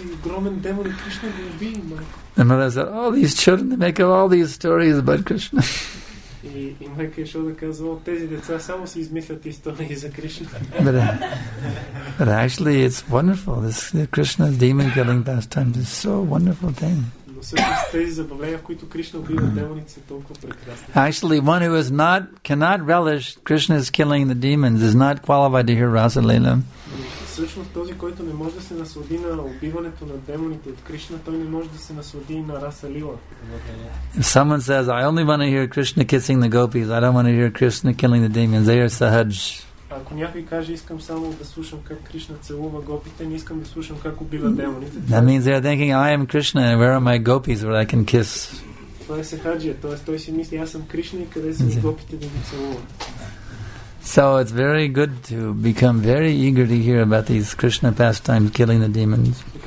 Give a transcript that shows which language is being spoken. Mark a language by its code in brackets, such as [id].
[en] The mother said, oh, these children, they make up all these stories about Krishna. [bg] И майка Ешода казва, тези деца само си измислят истории за Кришна. [en] But actually it's wonderful. This Krishna's demon killing pastime is so wonderful thing. [bg] Но всъщност тези забавления, в които Кришна убива демоните, са толкова прекрасни. [en] Actually, one who is not cannot relish Krishna's killing the demons is not qualified to hear Rasa Lila. [bg] Всъщност този, който не може да се наслади на убиването на демоните от Кришна, той не може да се наслади на Раса Лила. [en] If someone says, I only want to hear Krishna kissing the gopis, I don't want to hear Krishna killing the demons, they are sahaj. [bg] Ако някой каже, искам само да слушам как Кришна целува гопите, не искам да слушам как убива демоните. [en] That means they are thinking, I am Krishna, and where are my gopis where I can kiss? [bg] Това е сахаджия, т.е. той си мисли, аз съм Кришна и къде са ми гопите да ги целуват. [en] So it's very good to become very eager to hear about these Krishna pastimes killing the demons.